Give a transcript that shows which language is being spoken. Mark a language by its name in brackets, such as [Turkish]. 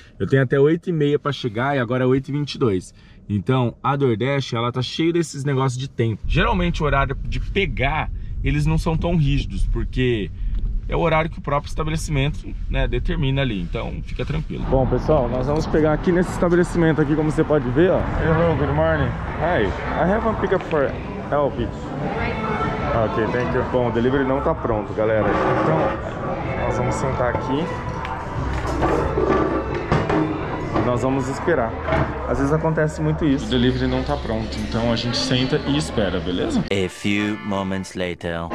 [Portuguese] Eu tenho até 8h30 pra chegar e agora é 8h22. Então, a Nordeste, ela tá cheia desses negócios de tempo. Geralmente o horário de pegar, eles não são tão rígidos, porque é o horário que o próprio estabelecimento, né, determina ali. Então, fica tranquilo. Bom, pessoal, nós vamos pegar aqui nesse estabelecimento aqui, como você pode ver, ó. [English] Hello, good morning. Hi, I have a pickup for help. Ok, thank you. [Portuguese] Bom, o delivery não tá pronto, galera. Então, nós vamos sentar aqui. Nós vamos esperar. Às vezes acontece muito isso. O delivery não tá pronto, então a gente senta e espera, beleza? [English] A few moments later.